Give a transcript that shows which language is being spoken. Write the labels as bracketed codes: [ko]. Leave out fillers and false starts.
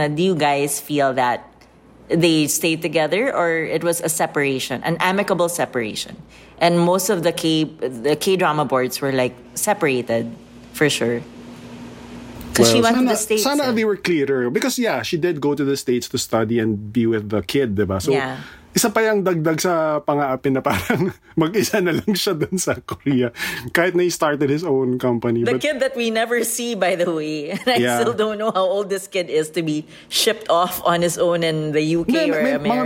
[en] Now, do you guys feel that they stayed together or it was a separation, an amicable separation? And most of the K drama boards were like separated for sure. Because she went to the States. [tl] Sana [en] they were clearer. Because she did go to the States to study and be with the kid, [tl] diba? [en] So, yeah. [tl] Isa pa yung dagdag sa pang-aapin na parang mag-isa na lang siya dun sa Korea. Kahit na [en] he started his own company. The kid that we never see, by the way. I still don't know how old this kid is to be shipped off on his own in the UK or America.